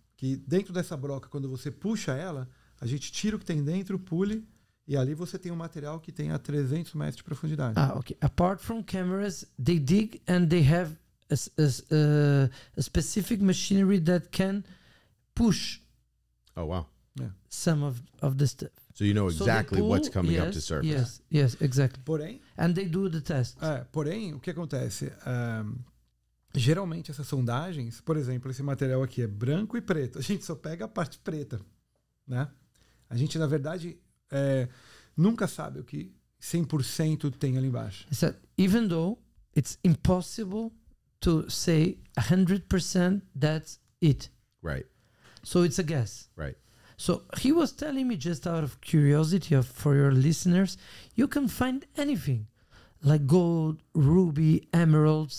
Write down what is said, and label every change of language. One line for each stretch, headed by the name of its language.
Portuguese: Que dentro dessa broca, quando você puxa ela, a gente tira o que tem dentro, pule, e ali você tem um material que tem a 300 metros de profundidade. Ah, ok.
English: Apart from cameras, they dig and they have a specific machinery that can push. Oh, wow. Some of the stuff. So you know exactly what's coming up to surface. Yes, yes, exactly.
Portuguese: Porém,
English: and they do the test.
Portuguese: Porém, o que acontece... geralmente essas sondagens, por exemplo, esse material aqui é branco e preto. A gente só pega a parte preta, né? A gente, na verdade, nunca sabe o que 100% tem ali embaixo.
English: So, even though it's impossible to say 100% that's it. Right. So it's a guess. Right. So he was telling me just out of curiosity for your listeners, you can find anything. Like gold, ruby, emeralds.